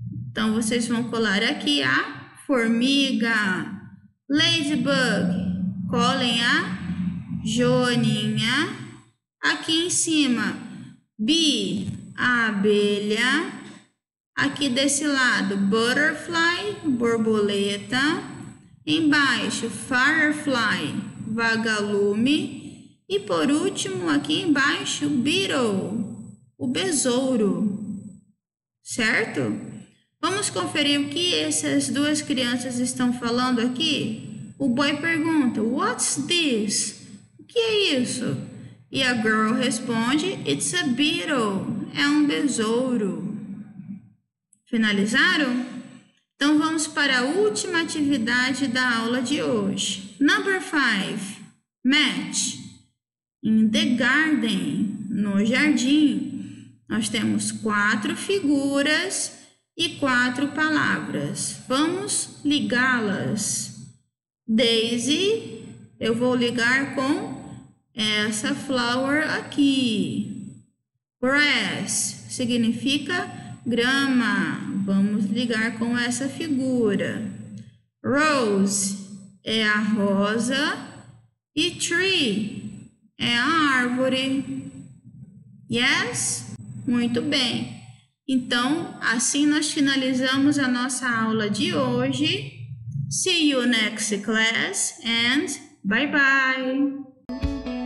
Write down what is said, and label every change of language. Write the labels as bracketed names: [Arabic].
[Portuguese] Então, vocês vão colar aqui a formiga, ladybug, colem a joaninha, aqui em cima, bee, a abelha, aqui desse lado, butterfly, borboleta, embaixo, firefly, vagalume, e por último, aqui embaixo, beetle, o besouro, certo? Vamos conferir o que essas duas crianças estão falando aqui? O boy pergunta, [English] what's this? [Portuguese] O que é isso? E a girl responde, [English] it's a beetle. [Portuguese] É um besouro. Finalizaram? Então vamos para a última atividade da aula de hoje. [English] Number 5. Match. In the garden. [Portuguese] No jardim. Nós temos 4 figuras e 4 palavras. Vamos ligá-las. Daisy, eu vou ligar com essa flower aqui. Grass significa grama. Vamos ligar com essa figura. Rose é a rosa. E tree é a árvore. Yes? Muito bem. Então, assim nós finalizamos a nossa aula de hoje. [English] See you next class and bye-bye!